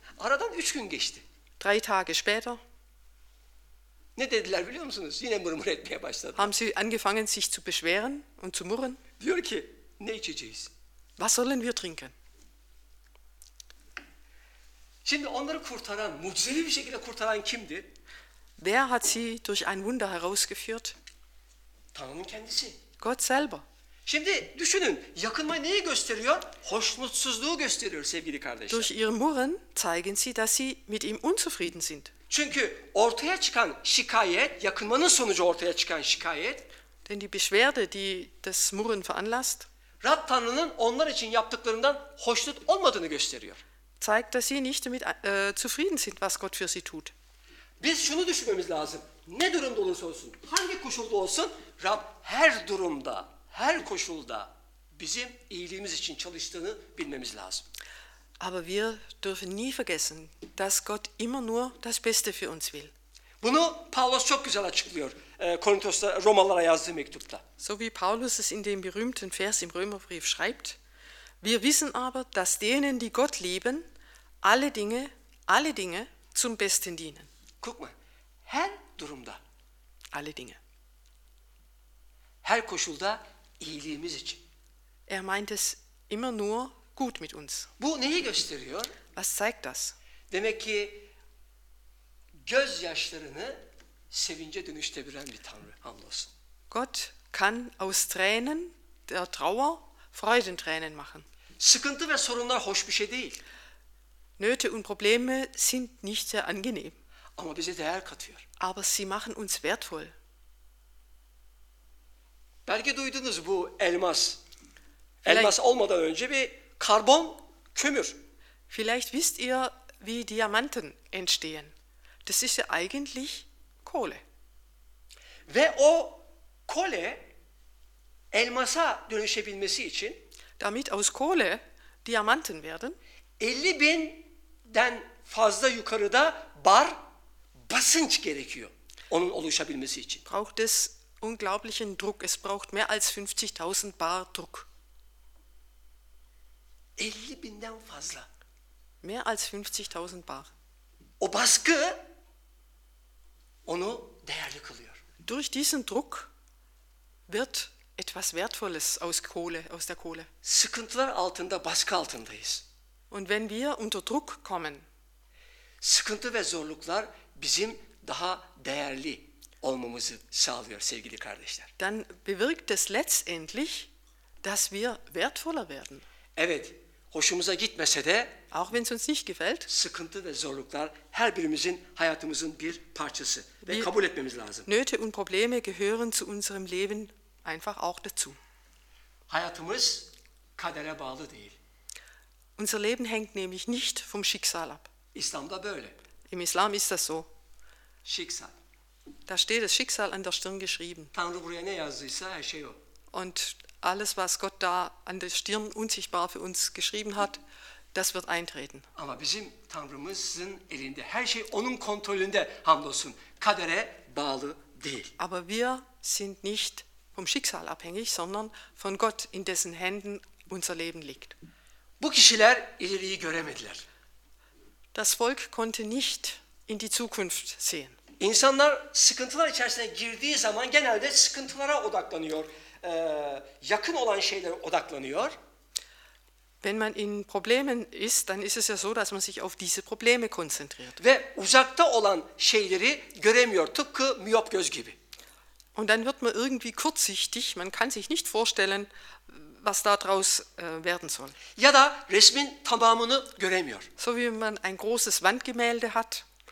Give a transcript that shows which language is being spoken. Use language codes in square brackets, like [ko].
[tr] Aradan 3 gün geçti. [de] 3 Tage später. [tr] Ne dediler biliyor musunuz? Yine murmur etmeye başladı. [de] Haben sie angefangen sich zu beschweren und zu murren? [tr] Diyor ki, ne içeceğiz? [de] Was sollen wir trinken? [tr] Şimdi onları kurtaran, mucizevi bir şekilde kurtaran kimdi? [de] Wer hat sie durch ein Wunder herausgeführt? [tr] Tanrı'nın kendisi. [de] Gott selber. [tr] Şimdi düşünün, yakınma neyi gösteriyor? Hoşnutsuzluğu gösteriyor sevgili kardeşler. [de] Durch ihr Murren zeigen sie, dass sie mit ihm unzufrieden sind. [tr] Çünkü ortaya çıkan şikayet, yakınmanın sonucu ortaya çıkan şikayet. [de] Denn die Beschwerde, die das Murren veranlasst. [tr] Rab Tanrı'nın onlar için yaptıklarından hoşnut olmadığını gösteriyor. [de] Zeigt, dass sie nicht damit zufrieden sind, was Gott für sie tut. [tr] Biz şunu düşünmemiz lazım. Ne durumda olursa olsun, hangi koşulda olsun, Rab her durumda, her koşulda bizim iyiliğimiz için çalıştığını bilmemiz lazım. [de] Aber wir dürfen nie vergessen, dass Gott immer nur das Beste für uns will. [tr] Bunu Paulus çok güzel açıklıyor Korintos'ta, Romalılara yazdığı mektupta. [de] So wie Paulus es in dem berühmten Vers im Römerbrief schreibt, wir wissen aber, dass denen, die Gott lieben, alle Dinge zum Besten dienen. Guck mal, [tr] her durumda. [de] Alle Dinge. [tr] Her koşulda iyiliğimiz için. [de] Er meint es immer nur gut mit uns. [tr] Bu neyi gösteriyor? [de] Was zeigt das? [tr] Demek ki gözyaşlarını sevince dönüştüren bir Tanrı, hamdolsun. [de] Gott kann aus Tränen der Trauer Freudentränen machen. [tr] Sıkıntı ve sorunlar hoş bir şey değil. [de] Nöte und Probleme sind nicht sehr angenehm. [tr] Ama bize değer katıyor. [de] Aber sie machen uns wertvoll. [tr] Belki duydunuz bu elmas. Elmas olmadan önce bir karbon, kömür. [de] Vielleicht wisst ihr, wie Diamanten entstehen. Das ist ja eigentlich Kohle. [tr] Ve o kohle elmasa dönüşebilmesi için, [de] damit aus Kohle Diamanten werden, [tr] 50.000'den fazla yukarıda bar basınç gerekiyor onun oluşabilmesi için. [de] Braucht es unglaublichen Druck. Es braucht mehr als 50.000 bar Druck. [tr] 50.000'den fazla. [de] Mehr als 50.000 bar. [tr] O baskı onu değerli kılıyor. [de] Durch diesen Druck wird etwas Wertvolles aus Kohle, aus der Kohle. [tr] Sıkıntılar altında, baskı altındayız. [de] Und wenn wir unter Druck kommen, [tr] sıkıntı ve zorluklar bizim daha değerli olmamızı sağlıyor sevgili kardeşler. [de] Dann bewirkt es letztendlich, dass wir wertvoller werden. [tr] Evet, hoşumuza gitmese de, [de] auch wenn es uns nicht gefällt, [tr] sıkıntı ve zorluklar her birimizin hayatımızın bir parçası ve kabul etmemiz lazım. [de] Nöte und Probleme gehören zu unserem Leben einfach auch dazu. [tr] Hayatımız kadere bağlı değil. [de] Unser Leben hängt nämlich nicht vom Schicksal ab. [tr] İslam'da böyle. [de] Im Islam ist das so. Schicksal. Da steht das Schicksal an der Stirn geschrieben. [tr] Tanrı buraya ne yazdıysa her şey o. [de] Und alles, was Gott da an der Stirn unsichtbar für uns geschrieben hat, das wird eintreten. [tr] Ama bizim Tanrımızın elinde. Her şey onun kontrolünde, hamdolsun. Kadere bağlı değil. [de] Aber wir sind nicht vom Schicksal abhängig, sondern von Gott, in dessen Händen unser Leben liegt. [tr] Bu kişiler ileriyi göremediler. [de] Das Volk konnte nicht in die Zukunft sehen. [tr] İnsanlar sıkıntılar içerisine girdiği zaman genelde sıkıntılara odaklanıyor. Yakın olan şeylere odaklanıyor. [de] Wenn man in Problemen ist, dann ist es ja so, dass man sich auf diese Probleme konzentriert. [tr] Ve uzakta olan şeyleri göremiyor, tıpkı miyop göz gibi. [de] Und dann wird man irgendwie kurzsichtig, man kann sich nicht vorstellen, was da draus werden soll. [tr] Ya da resmin tamamını göremiyor. [de] So wie man ein großes Wandgemälde hat.